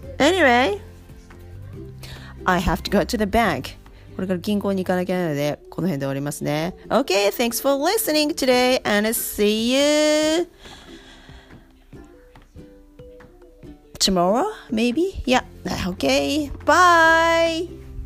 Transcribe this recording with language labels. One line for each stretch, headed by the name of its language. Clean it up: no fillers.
English: Anyway, I have to go to the bank.
Japanese: これから銀行に行かなきゃいけないのでこの辺で終わりますね。
English: Okay, thanks for listening today and see you tomorrow, maybe? Yeah, okay, bye!